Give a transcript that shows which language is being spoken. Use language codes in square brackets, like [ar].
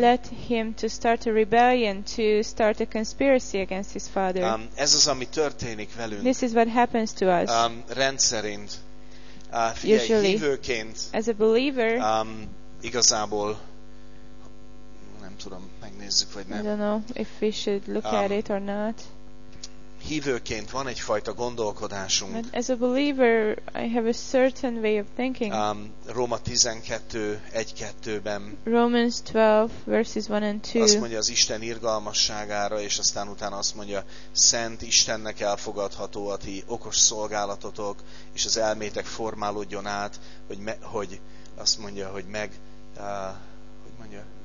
[en] Let him to start a rebellion, to start a conspiracy against his father. [hu] Ez az, ami történik velünk. [en] This is what happens to us. [hu] Rendszerint. [en] Usually. [hu] Hívőként. [en] As a believer. [hu] Igazából. Nem tudom, megnézzük vagy nem. [en] I don't know if we should look at it or not. [hu] Hívőként van egyfajta gondolkodásunk. [en] But as a believer, I have a certain way of thinking. [hu] Róma 12:1-2-ben. [en] Romans 12 verses 1 and 2. [hu] Azt mondja az Isten irgalmasságára, és aztán utána azt mondja, szent Istennek elfogadható a ti okos szolgálatotok, és az elmétek formálódjon át, hogy azt mondja, hogy meg hogy mondja.